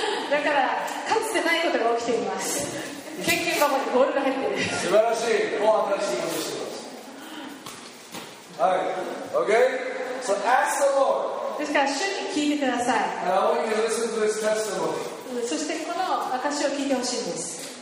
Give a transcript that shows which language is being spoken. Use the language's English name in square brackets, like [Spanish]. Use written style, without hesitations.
[Japanese] だからかつてないことが起きています。献金箱にボールが入ってる。素晴らしい。もう新しいことしてます。はい、 [English] OK。So ask the Lord。 [Japanese] ですから主に聞いてください。 [English] And I want you to listen to his testimony。 [Japanese] そしてこの証を聞いてほしいんです。